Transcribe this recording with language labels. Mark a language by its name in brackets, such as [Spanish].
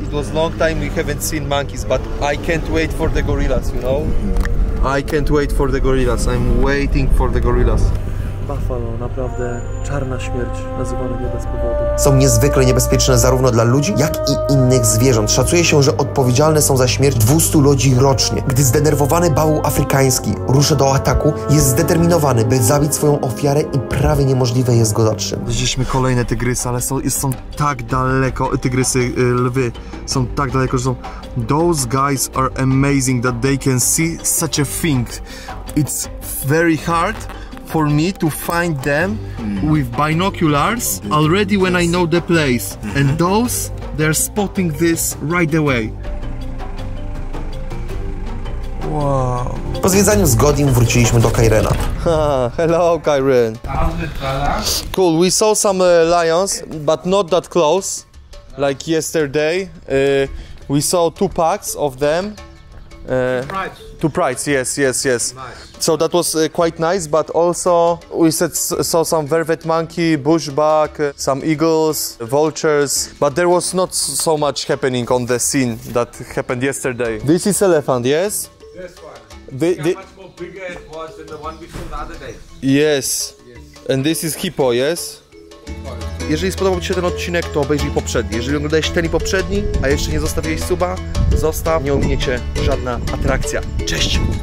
[English] It was long time we haven't seen monkeys, but I can't wait for the gorillas, you know? I can't wait for the gorillas. I'm waiting for the gorillas. [Polish] Buffalo, naprawdę czarna śmierć, nazywane nie bez powodu. Są niezwykle niebezpieczne zarówno dla ludzi, jak i innych zwierząt. Szacuje się, że odpowiedzialne są za śmierć 200 ludzi rocznie. Gdy zdenerwowany bawuł afrykański rusza do ataku, jest zdeterminowany, by zabić swoją ofiarę i prawie niemożliwe jest go zatrzymać. Widzieliśmy kolejne tygrysy, ale są tak daleko, tygrysy, lwy, są tak daleko, że są... [English] Those guys are amazing that they can see such a thing. It's very hard for me to find them with binoculars already when I know the place. And those, they're spotting this right away. Wow. [Polish] Po zwiedzaniu z Godin wróciliśmy do Kairena. [English] Hello, Kairen. How's it, brother? Cool, we saw some lions, but not that close. Like yesterday, we saw two packs of them. Two prides, yes. Nice. So that was quite nice, but also we saw some velvet monkey, bushbuck, some eagles, vultures, but there was not so much happening on the scene that happened yesterday. This is elephant, yes? This one. How much more bigger it was than the one we saw the other day. Yes. And this is hippo, yes? [Polish] Jeżeli spodobał Ci się ten odcinek, to obejrzyj poprzedni. Jeżeli oglądałeś ten i poprzedni, a jeszcze nie zostawiłeś suba, zostaw, nie ominie Cię żadna atrakcja. Cześć!